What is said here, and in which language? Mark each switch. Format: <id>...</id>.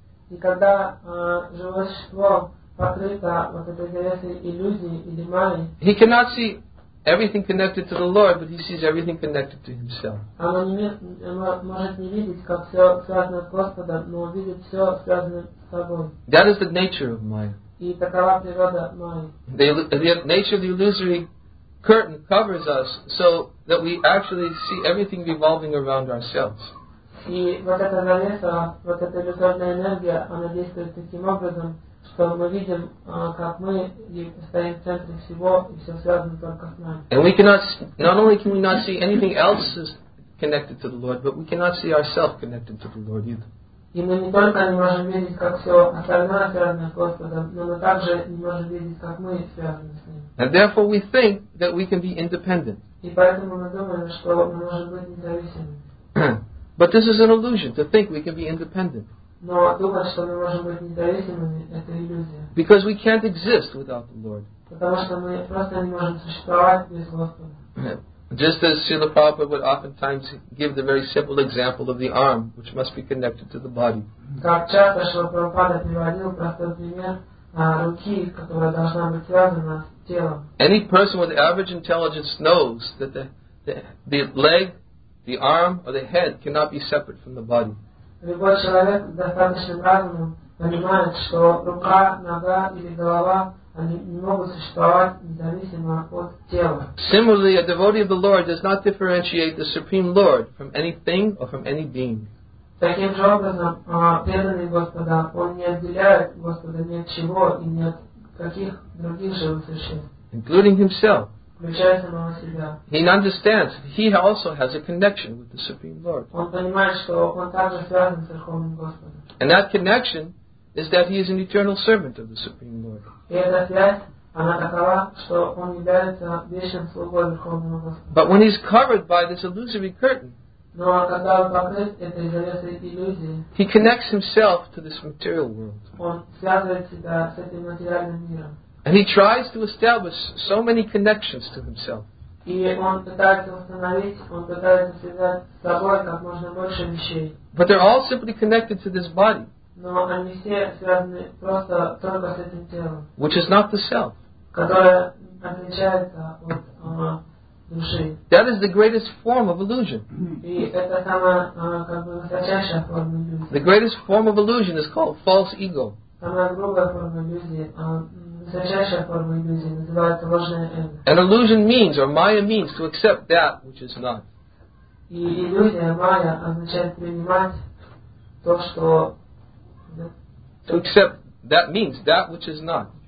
<ru>и когда живое существо покрыто вот этой завесой иллюзии или мали,</ru> <en>he cannot see everything connected to the Lord, but he sees everything connected to himself.</en> <ru>Оно может не видеть, как все связано с Господом, но видит все связанное с собой.</ru> <en>That is the nature of Maya.</en> <ru>И такова природа Майи.</ru> <en>The nature of the illusory curtain covers us so that we actually see everything revolving around ourselves.</en> <ru>И вот эта завеса, вот эта иллюзорная энергия, она действует таким образом, что мы видим, как мы стоим в центре всего, и все связано только с нами.</ru> <en>And we cannot, not only can we not see anything else is connected to the Lord, but we cannot see ourselves connected to the Lord either.</en> <ru>И мы не только не можем видеть, как все остальное связано с Господом, но мы также не можем видеть, как мы связаны с Ним.</ru> <en>And therefore we think that we can be independent.</en> <ru>И поэтому мы думаем, что мы можем быть независимыми.</ru> <en>But this is an illusion, to think we can be independent.</en> <ru>Но думать, что мы можем быть независимыми, это иллюзия.</ru> <en>Because we can't exist without the Lord.</en> <ru>Потому что мы просто не можем существовать без Господа.</ru> <en>Just as Srila Prabhupada would oftentimes give the very simple example of the arm, which must be connected to the body.</en> <ru>Как часто Шрила Прабхупада приводил простой пример руки, которая должна быть связана с телом.</ru> <en>Any person with average intelligence knows that the leg, the arm or the head cannot be separate from the body.</en> <ru>Любой человек достаточно разумным понимает, что рука, нога или голова они не могут существовать независимо от тела.</ru> <en>Similarly, a devotee of the Lord does not differentiate the Supreme Lord from anything or from any being.</en> <ru>Таким же образом, преданный Господа, он не отделяет Господа ни от чего и ни от каких других живых существ.</ru> <en>Including himself.</en> <ru>Включая самого себя.</ru> <en>He understands he also has a connection with the Supreme Lord.</en> <ru>Он понимает, что он также связан с Верховным Господом.</ru> <en>And that connection is that he is an eternal servant of the Supreme Lord.</en> <ru>И эта связь, она такова, что он является вечным слугой Верховного Господа.</ru> <en>But when he's covered by this illusory curtain,</en> <ru>но когда он покрыт этой завесой иллюзии,</ru> <en>he connects himself to this material world.</en> <ru>Он связывает себя с этим материальным миром.</ru> <en>And he tries to establish so many connections to himself.</en> <ru>И он пытается установить, он пытается связать с собой как можно больше вещей.</ru> <en>But they're all simply connected to this body.</en> <ru>Но они все связаны просто только с этим телом.</ru> <en>Which is not the self.</en> <ru>Которое отличается от души.</ru> <en>That is the greatest form of illusion.</en> <ru>И это самая как бы высочайшая форма иллюзии.</ru> <en>The greatest form of illusion is called false ego.</en> <ru>Самая грубая форма иллюзии. Высочайшая форма иллюзии называется ложное эго.</ru> <en>An illusion means, or Maya means, to accept that which is not.</en> <ru>И иллюзия Maya означает принимать то, что.</ru> <en>To accept that means that which is not.</en>